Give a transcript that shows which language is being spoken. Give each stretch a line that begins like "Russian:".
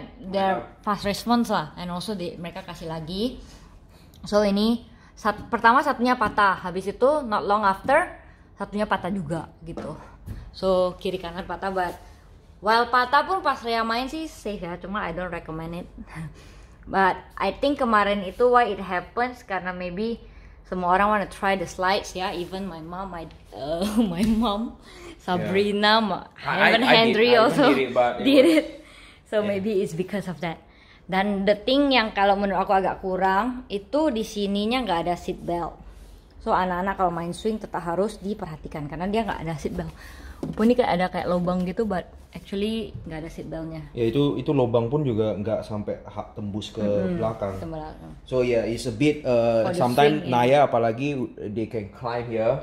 English: They're fast response lah, and also
Indonesian: mereka kasih lagi. So ini pertama satunya patah, habis itu
English: not long after
Indonesian: satunya patah juga gitu. So kiri kanan patah, but while patah pun pas Ria main sih safe ya, cuma
English: I don't recommend it. But I think
Indonesian: kemarin itu
English: why it happens, karena maybe semua orang wanna try the slides ya, even my mom, my mom, Sabrina, yeah. Even Henry also did it. So yeah, maybe it's because of that.
Indonesian: Dan
English: the thing
Indonesian: yang kalau menurut aku agak kurang itu di sininya nggak ada seat belt. So anak-anak kalau main swing tetap harus diperhatikan karena dia nggak ada seat belt. Walaupun ini kayak ada kayak lubang gitu,
English: but actually
Indonesian: nggak ada seat belt-nya. Ya itu lubang pun juga nggak sampai tembus ke belakang.
English: So yeah, it's a bit sometimes swing, Naya yeah, apalagi they can climb here.